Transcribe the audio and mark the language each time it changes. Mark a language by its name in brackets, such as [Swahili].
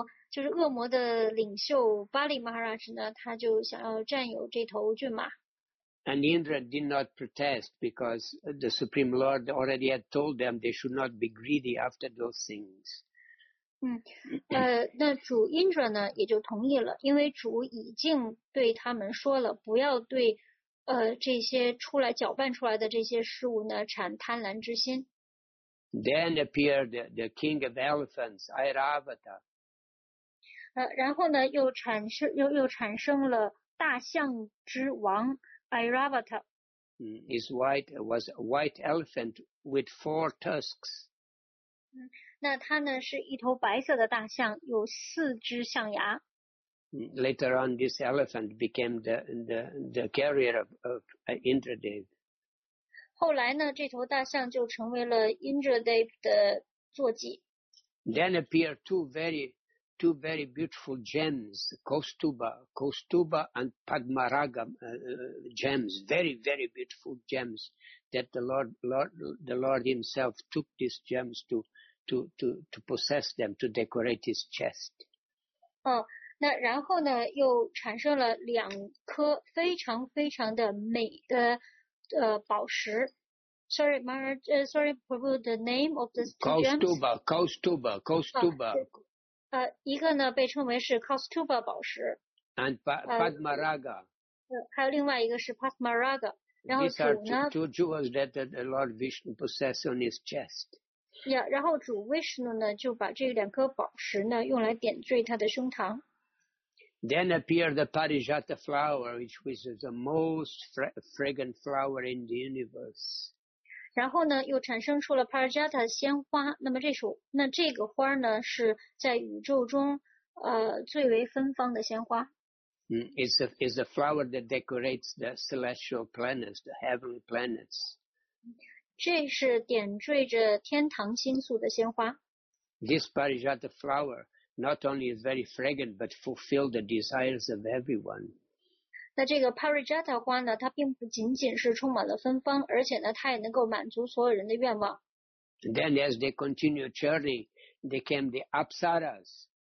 [Chinese] 就是恶魔的领袖巴利马哈拉什呢，他就想要占有这头骏马。 [English] And Indra did not protest because the Supreme Lord already had told them they should not be greedy after those things. [Chinese] 那主 Indra 呢也就同意了，因为主已经对他们说了，不要对这些出来搅拌出来的这些事物呢产贪婪之心。 [English] Then appeared the king of elephants, Airavata. [Chinese] 然后呢，又产生了大象之王 Airavata. [English] His white was a white elephant with four tusks. [Chinese] 那他呢是一头白色的大象，有四只象牙。 [English] Later on, this elephant became the carrier of Indradev. [Chinese] 后来呢，这头大象就成为了 Indradev 的坐骑。 [English] Then appeared two very beautiful gems, Kostuba and Padmaraga gems, very, very beautiful gems that the Lord himself took these gems to possess them, to decorate his chest. [Chinese] 那然后呢又产生了两颗非常非常的美的宝石。 [English] Sorry, Maharaj, sorry, Prabhu, the name of the gems? Kostuba. [Chinese] 一个呢被称为是 Kostuba 宝石。 [English] And Padmaraga. [Chinese] 还有另外一个是 Padmaraga. [English] These are two jewels that the Lord Vishnu possessed on his chest. [Chinese] Yeah, 然后主 Vishnu 呢就把这两颗宝石呢用来点缀他的胸膛。 [English] Then appeared the Parijata flower, which was the most fragrant flower in the universe. [Chinese] 然后呢，又产生出了 Parijata 鲜花。那这个花呢，是在宇宙中最为芬芳的鲜花。 [English] It's a flower that decorates the celestial planets, the heavenly planets. [Chinese] 这是点缀着天堂星宿的鲜花。 [English] This Parijata flower. Not only is very fragrant, but fulfill the desires of everyone. [Chinese] 那这个 Parijata 花呢，它并不仅仅是充满了芬芳，而且呢，它也能够满足所有人的愿望。 [English] Then, as they continued churning, they came the apsaras.